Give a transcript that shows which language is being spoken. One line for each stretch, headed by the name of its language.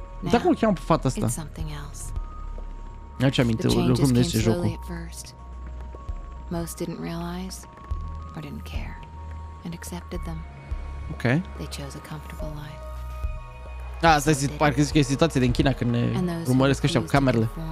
Romanian: Dar cum o cheamă pe fata asta? Mi-aș aminte cum este jocul.
English: Most didn't realize or didn't care and accepted them. Ok. They chose a comfortable life.
Romanian: A, asta zic, parcă zic că e situația din China când ne urmăresc ăștia cu camerele.